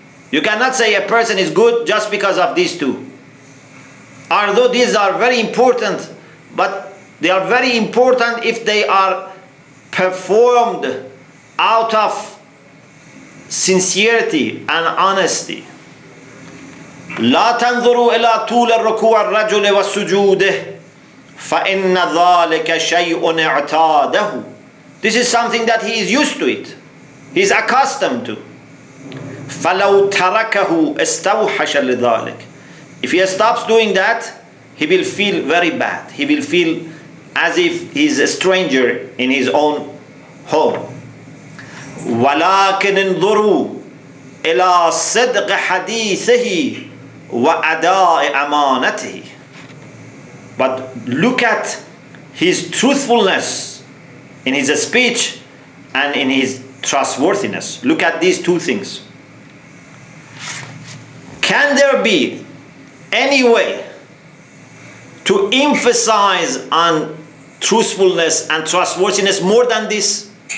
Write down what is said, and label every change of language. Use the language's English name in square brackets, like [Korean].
[English] You cannot say a person is good just because of these two. Although these are very important, but they are very important if they are performed out of sincerity and honesty. [Arabic] لا تنظروا إلى طول الركوع الرجل والسجوده فإن ذلك شيء اعتاده. [English] This is something that he is used to it. He is accustomed to. [Arabic] فلو تركه استوحش لذلك. [English] If he stops doing that, he will feel very bad. He will feel as if he is a stranger in his own home. [Arabic] ولكن انظروا إلى صدق حديثه وَأَدَاءِ أَمَانَتِهِ. [English] But look at his truthfulness in his speech and in his trustworthiness. Look at these two things. Can there be any way to emphasize on truthfulness and trustworthiness more than this?